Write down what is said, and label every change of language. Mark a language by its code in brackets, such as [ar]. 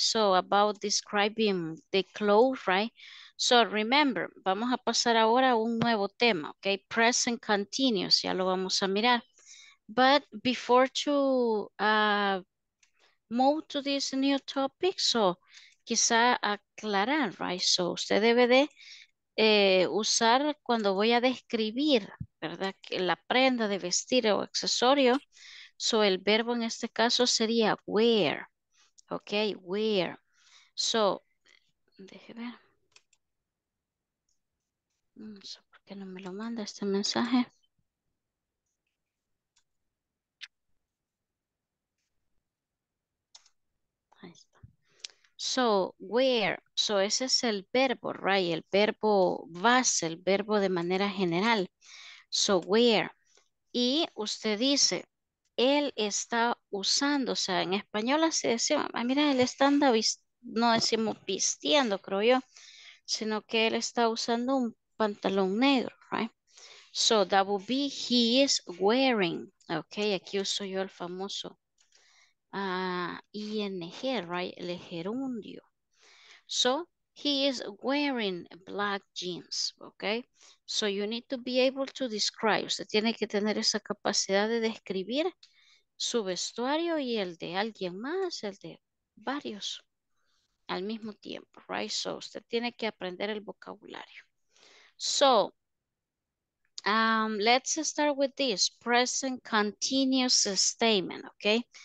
[en] So about describing the clothes, right? So remember, [es] vamos a pasar ahora a un nuevo tema, [en] okay? [es] Present continuous, ya lo vamos a mirar. [en] But before to move to this new topic, so [es] quizá aclarar, [en] right? [es] So usted debe de usar cuando voy a describir, ¿verdad? Que la prenda de vestir o accesorio. So el verbo en este caso sería wear, okay? Wear. So, deje ver. No sé por qué no me lo manda este mensaje. Ahí está. So, wear. So, ese es el verbo, right? El verbo base, el verbo de manera general. So, wear. Y usted dice, él está usando, o sea, en español así decimos, mira, él está andando, no decimos vistiendo, creo yo, sino que él está usando un pantalón negro, right? [en] So that would be he is wearing, okay? [es] Aquí uso yo el famoso ing, right? El gerundio. [en] So he is wearing black jeans, okay? So you need to be able to describe. [es] Usted tiene que tener esa capacidad de describir su vestuario y el de alguien más, el de varios al mismo tiempo, right? So usted tiene que aprender el vocabulario. [en] So, let's start with this present continuous statement, okay?